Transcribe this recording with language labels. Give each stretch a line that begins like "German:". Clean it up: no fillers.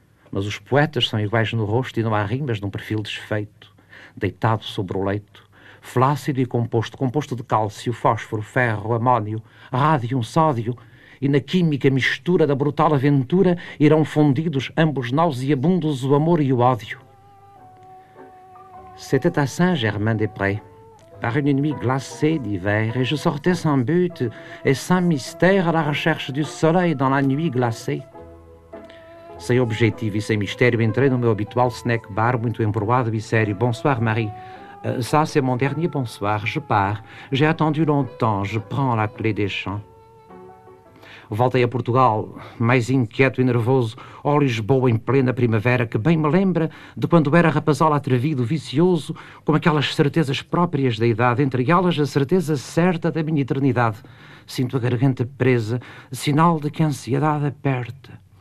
Portuguese: Mas os poetas são iguais no rosto e não há rimas num perfil desfeito. Deitado sobre o leito, flácido e composto, composto de cálcio, fósforo, ferro, amónio, rádio, sódio, e na química mistura da brutal aventura irão fundidos ambos nauseabundos o amor e o ódio.
French: C'était à Saint-Germain-des-Prés, par une nuit glacée d'hiver, et je sortais sans but et sans mystère à la recherche du soleil dans la nuit glacée.
Portuguese: Sem objetivo e sem mistério, entrei no meu habitual snack bar, muito embroado e sério.
French: Bonsoir, Marie. Ça, c'est mon dernier bonsoir. Je pars. J'ai attendu longtemps. Je prends la clé des champs.
Portuguese: Voltei a Portugal, mais inquieto e nervoso, ao Lisboa em plena primavera, que bem me lembra de quando era rapazola atrevido, vicioso, com aquelas certezas próprias da idade, entre elas a certeza certa da minha eternidade. Sinto a garganta presa, sinal de que a ansiedade aperta.